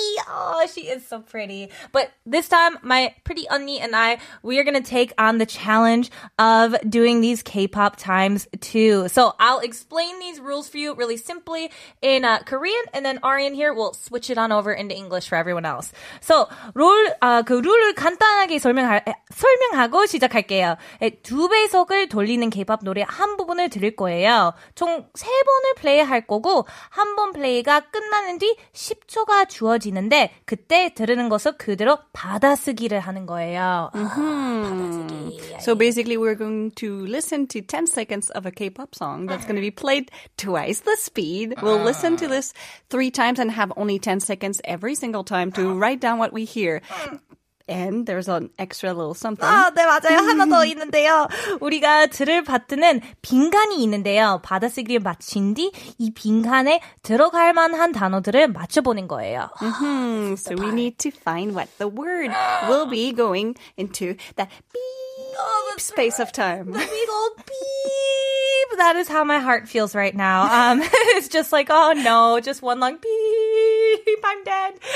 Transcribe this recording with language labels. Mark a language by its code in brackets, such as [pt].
[en] Oh, she is so pretty. But this time, my pretty Unni and I, we are going to take on the challenge of doing these K-pop times too. So I'll explain these rules for you really simply in Korean, and then Arian here will switch it on over into English for everyone else. [ko] So 룰을 간단하게 설명하고 시작할게요. 두 배속을 돌리는 K-pop 노래 한 부분을 들을 거예요. 총 세 번을 10번을 플레이할 거고 한 번 플레이가 끝나는 뒤 10초가 주어지는데 그때 들으는 것을 그대로 받아쓰기를 하는 거예요. [en] So basically we're going to listen to 10 seconds of a K-pop song that's going to be played twice the speed. We'll listen to this 3 times and have only 10 seconds every single time to write down what we hear. And there's an extra little something. [ko] 아, 네, 맞아요. 하나 더 있는데요. 우리가 들을 바트는 빈칸이 있는데요. 받아쓰기를 마친 뒤 이 빈칸에 들어갈 만한 단어들을 맞춰보는 거예요. [en] So we need to find what the word will be going into that beep space of time. The big old beep. That is how my heart feels right now. It's just like, oh no, just one long beep. I'm dead.